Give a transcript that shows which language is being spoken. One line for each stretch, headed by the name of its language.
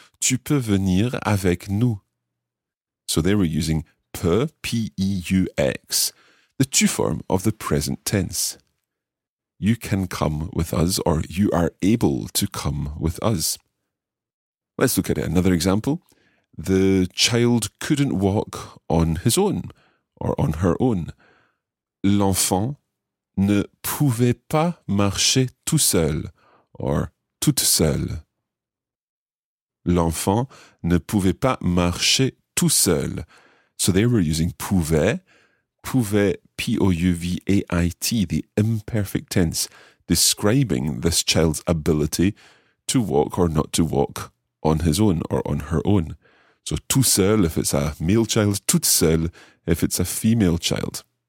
French: Tu peux venir avec nous.
English: So there we're using peux, P-E-U-X, the tu form of the present tense. You can come with us, or you are able to come with us. Let's look at it. Another example. The child couldn't walk on his own, or on her own.
French: L'enfant ne pouvait pas marcher tout seul,
English: or
French: toute seule. L'enfant ne pouvait pas marcher tout seul.
English: So they were using pouvait. Pouvait, P-O-U-V-A-I-T, the imperfect tense, describing this child's ability to walk or not to walk on his own or on her own. So
French: tout seul
English: if it's a male child,
French: toute seule
English: if it's a female child.